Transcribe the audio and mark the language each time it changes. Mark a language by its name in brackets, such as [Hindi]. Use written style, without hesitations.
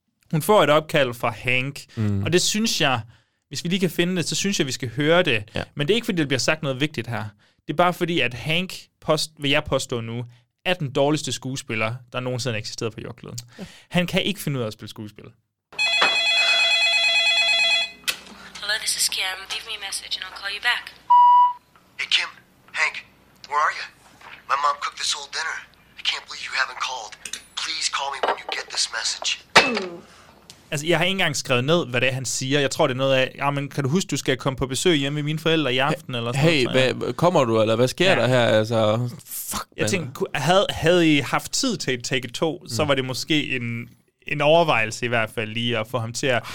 [Danish] Hun får et opkald fra Hank, og det synes jeg, hvis vi lige kan finde det, så synes jeg, vi skal høre det. Ja. Men det er ikke, fordi der bliver sagt noget vigtigt her. Det er bare fordi, at Hank, vil jeg påstå nu, er den dårligste skuespiller, der nogensinde eksisterede på jordkloden. Ja. Han kan ikke finde ud af at spille skuespil. [English] Hello, this is Kim. Leave me a message, and I'll call you back. Hey, Kim. Hank, where are you? My mom cooked this whole dinner. I can't believe you haven't called. Please call me when you get this message. [Danish] Altså, jeg har ikke engang skrevet ned, hvad det er, han siger. Jeg tror, det er noget af, men kan du huske, du skal komme på besøg hjemme med mine forældre i aften? Eller sådan hey, noget, kommer du, eller hvad sker der her? Altså, fuck, jeg tænkte, havde I haft tid til at take 2, så var det måske en overvejelse i hvert fald lige at få ham til at...